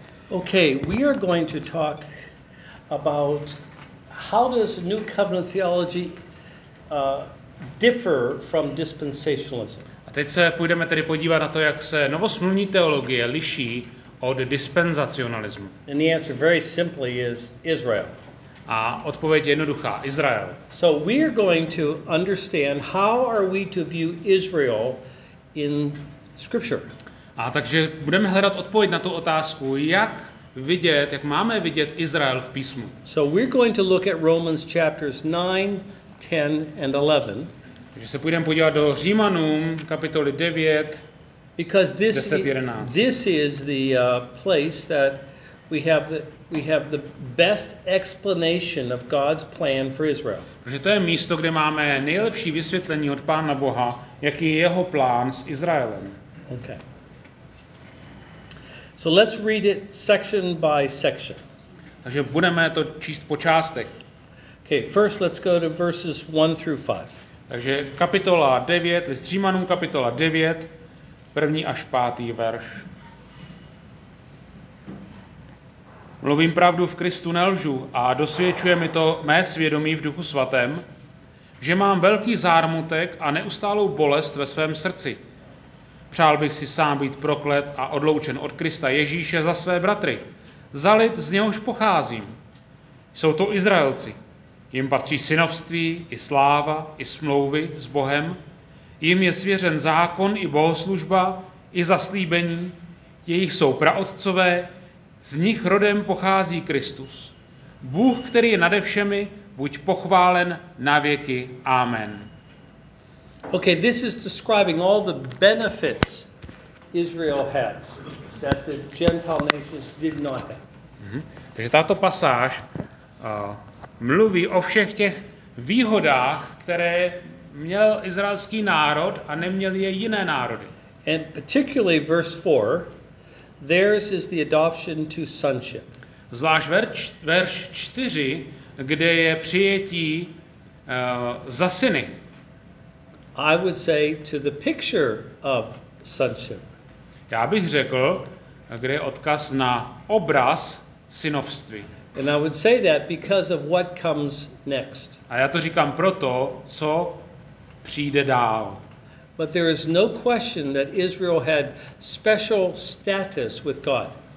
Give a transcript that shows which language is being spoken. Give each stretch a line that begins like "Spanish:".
English: Okay, we are going to talk about how does New Covenant theology differ from dispensationalism.
Czech: A teď se půjdeme tedy podívat na to, jak se novosmluvní teologie liší od dispenzacionalismu.
English: And the answer very simply is Israel.
Czech: A odpověď je jednoduchá, Izrael.
English: So we are going to understand how are we to view Israel in scripture.
Czech: A takže budeme hledat odpověď na tu otázku, jak vidět, jak máme vidět Izrael v písmu.
English: So we're going to look at Romans chapters 9, 10 and 11.
Czech: Takže se půjdeme podívat do Římanům kapitoly 9.
English: Because this is the place that we have the best explanation of God's plan for Israel.
Czech: Protože to je místo, kde máme nejlepší vysvětlení od Pána Boha, jaký je jeho plán s Izraelem.
English: Okay. So let's read it section by section.
Czech: Takže budeme to číst po částech.
English: Okay, first let's go to verses 1 through 5.
Czech: Takže kapitola 9, list Římanům kapitola 9, první až pátý verš. Mluvím pravdu v Kristu nelžu a dosvědčuje mi to mé svědomí v Duchu svatém, že mám velký zármutek a neustálou bolest ve svém srdci. Přál bych si sám být proklet a odloučen od Krista Ježíše za své bratry, za lid, z něhož pocházím. Jsou to Izraelci, jim patří synovství, i sláva, i smlouvy s Bohem, jim je svěřen zákon, i bohoslužba, i zaslíbení, jejich jsou praotcové, z nich rodem pochází Kristus. Bůh, který je nade všemi, buď pochválen na věky. Amen.
English: Okay, this is describing all the benefits Israel has that the Gentile nations did not have. Mm-hmm.
Czech: Takže tato pasáž mluví o všech těch výhodách, které měl izraelský národ a neměl je jiné národy.
English: And particularly verse 4, theirs is the adoption to sonship.
Czech: Zvlášť verš 4, kde je přijetí za syny.
English: I would say to the picture of sonship.
Czech: Já bych řekl, kde je odkaz na obraz synovství.
English: And I would say that because of what comes next.
Czech: A já to říkám proto, co přijde dál.
English: But there is no question that Israel had special status with God.